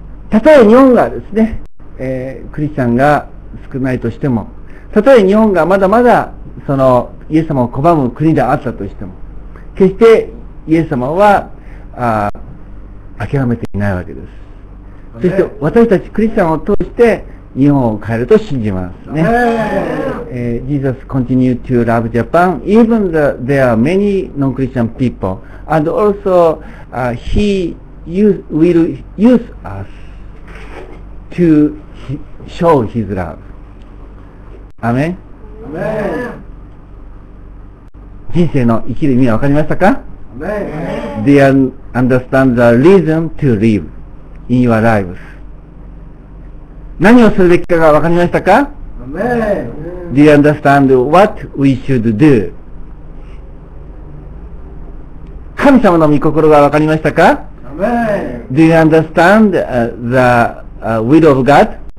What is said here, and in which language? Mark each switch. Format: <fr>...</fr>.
<ja>たとえ日本がですね、クリスチャンが少ないとしても、たとえ日本がまだまだそのイエス様を拒む国であったとしても、決してイエス様は諦めていないわけです。そして私たちクリスチャンを通して、日本を変えると信じますね。</ja> <en>Jesus continue to love Japan even though there are many non-Christian people and also he use, will use us to show his love. Amen. Amen.</en> <ja>人生の生きる意味は分かりましたか？</ja> <en>Amen. They understand the reason to live in your lives.</en> <ja>何をするべきかが分かりましたか？</ja> <en>Amen. Do you understand what we should do?</en> <ja>神様の御心が分かりましたか？</ja> <en>Amen. Do you understand the will of God?</en>